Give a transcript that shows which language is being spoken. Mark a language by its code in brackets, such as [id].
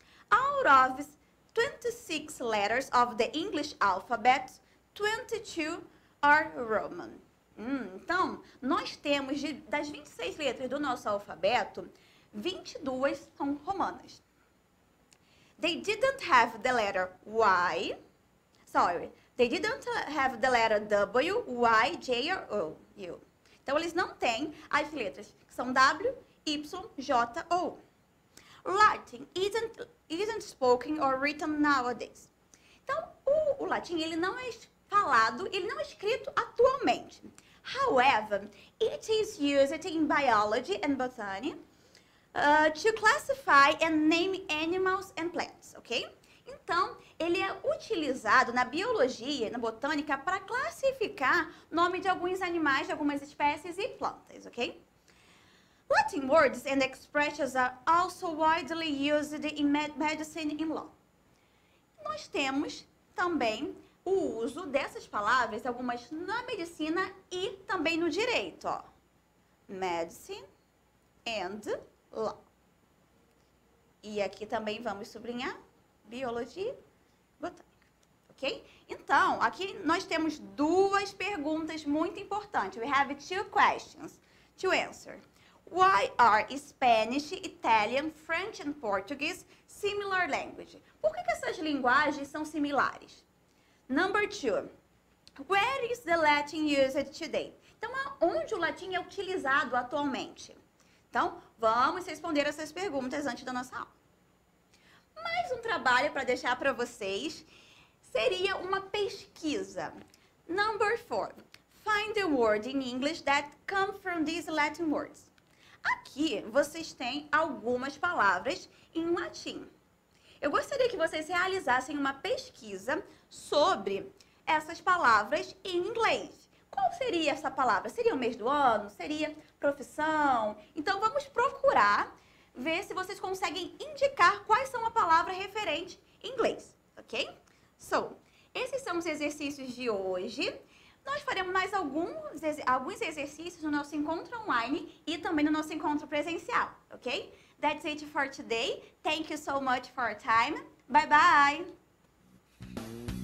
[en] Out of 26 letters of the English alphabet, 22 are Roman. [pt] Então, nós temos das 26 letras do nosso alfabeto, 22 são romanas. [en] They didn't have the letter Y. Sorry. They didn't have the letter W, Y, J, or O, U. [pt] Então, eles não têm as letras que são W, Y, J, O. [en] Latin isn't spoken or written nowadays. [pt] Então, o latim, ele não é falado, ele não é escrito atualmente. [en] However, it is used in biology and botany to classify and name animals and plants, ok? [pt] Então, ele é utilizado na biologia, na botânica, para classificar nome de alguns animais, de algumas espécies e plantas, ok? [en] Latin words and expressions are also widely used in medicine and law. [pt] Nós temos também o uso dessas palavras, algumas na medicina e também no direito, ó. [en] Medicine and law. [pt] E aqui também vamos sublinhar biologia botânica, ok? Então, aqui nós temos duas perguntas muito importantes. [en] We have two questions to answer. Why are Spanish, Italian, French and Portuguese similar language? [pt] Por que essas linguagens são similares? [en] Number two, where is the Latin used today? [pt] Então, aonde o latim é utilizado atualmente? Então, vamos responder essas perguntas antes da nossa aula. Mais um trabalho para deixar para vocês seria uma pesquisa. [en] Number four, find a word in English that come from these Latin words. [pt] Aqui, vocês têm algumas palavras em latim. Eu gostaria que vocês realizassem uma pesquisa sobre essas palavras em inglês. Qual seria essa palavra? Seria o mês do ano? Seria profissão? Então, vamos procurar ver se vocês conseguem indicar quais são a palavra referente em inglês, ok? So, esses são os exercícios de hoje. Nós faremos mais alguns exercícios no nosso encontro online e também no nosso encontro presencial, ok? [en] That's it for today. Thank you so much for your time. Bye-bye.